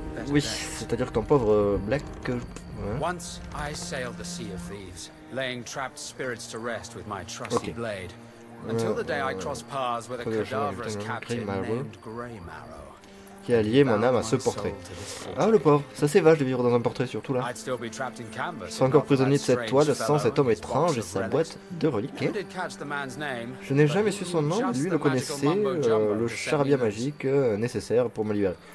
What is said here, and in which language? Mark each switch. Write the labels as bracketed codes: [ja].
[fr] Oui, c'est-à-dire que ton pauvre Black. [en] Once I sailed the Sea of Thieves. Laying trapped spirits to rest with my trusty okay. Blade. Until the day I crossed paths with a cadaverous captain named Greymarrow. [fr] Qui a lié mon âme à ce portrait. Ah le pauvre, ça c'est vache de vivre dans un portrait surtout là. Je serais encore prisonnier de cette toile sans cet homme étrange et sa boîte de reliques. Je n'ai jamais su son nom, lui le connaissait, le charabia magique nécessaire pour me libérer.